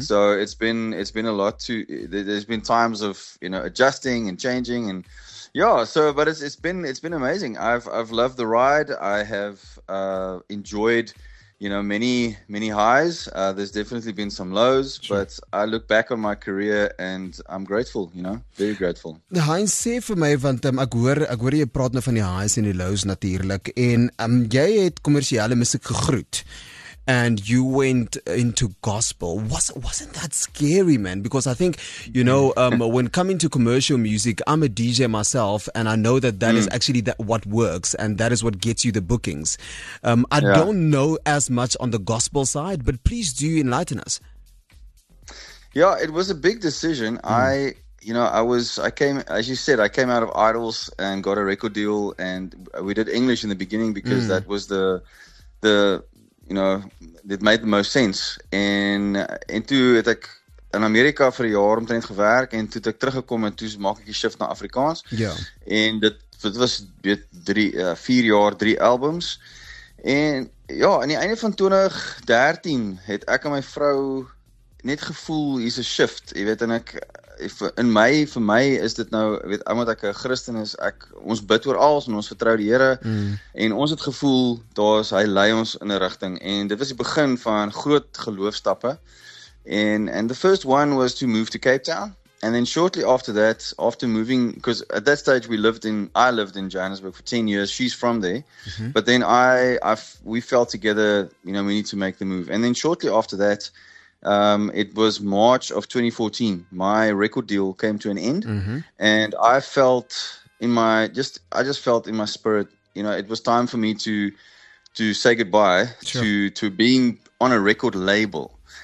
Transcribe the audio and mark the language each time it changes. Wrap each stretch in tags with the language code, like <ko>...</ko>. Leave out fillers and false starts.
<en>So it's been a lot to, there's been times of, you know, adjusting and changing and but it's been amazing. I've loved the ride. I have enjoyed, you know, many highs. There's definitely been some lows, sure. But I look back on my career and I'm grateful, you know, very grateful.</en> <af>Heinz, sê vir my, want ek hoor jy praat nou van die highs en die lows natuurlik, en jy het kommersiële musiek gegroet,</af> <en>and you went into gospel. Wasn't that scary, man? Because I think, you know, when coming to commercial music, I'm a DJ myself, and I know that that is actually that what works, and that is what gets you the bookings. I don't know as much on the gospel side, but please do enlighten us. Yeah, it was a big decision. I came out of Idols and got a record deal, and we did English in the beginning because that was the you know, it made the most sense.</en> <af>En toe het ek in Amerika vir 'n jaar omtrent gewerk, en toe het ek teruggekom en toe maak ek die shift na Afrikaans. Ja. En dit was 4 jaar, 3 albums. En ja, aan die einde van 2013 het ek en my vrou net gevoel hier's 'n shift. Jy weet, en ek vir my is dit nou, weet, omdat ek 'n Christen is, ons bid oor alles en ons vertrou die Here, en ons het gevoel daar's hy lei ons in 'n rigting, en dit was die begin van groot geloofstappe.</af> <en>And the first one was to move to Cape Town, and then shortly after that, after moving, because at that stage I lived in Johannesburg for 10 years, she's from there, but then we fell together, you know, we need to make the move. And then shortly after that, it was March of 2014, my record deal came to an end, and I just felt in my spirit, you know, it was time for me to say goodbye, sure, to being on a record label.</en>